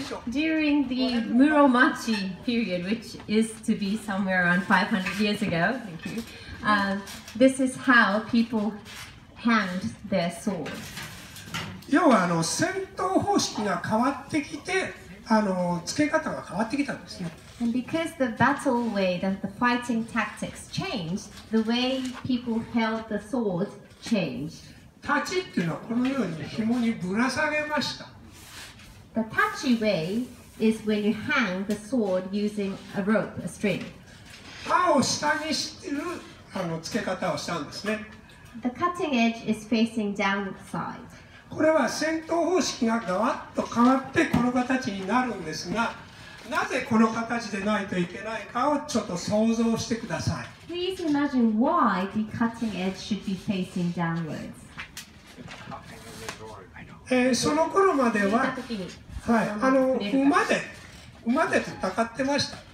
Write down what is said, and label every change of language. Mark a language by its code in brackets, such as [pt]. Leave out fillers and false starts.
[en] During the Muromachi period, which is to be somewhere around 500 years ago, thank you. This is how people hand their swords. [ja] 要はあの戦闘方式が変わってきて、あの付け方が変わってきたんですね。 [en] And because the battle way, the fighting tactics changed, the way people held the sword changed. [ja] タチっていうのはこのように紐にぶら下げました。 [en] The tachi way is when you hang the sword using a rope, a string. [ja] 刃を下にしてるあの付け方をしたんですね。 [en] The cutting edge is facing downward side. [ja] これは戦闘方式がガワッと変わってこの形になるんですが、なぜこの形でないといけないかをちょっと想像してください。 [en] Please imagine why the cutting edge should be facing downwards. [ja] その頃までは、はい、あの馬で戦ってました。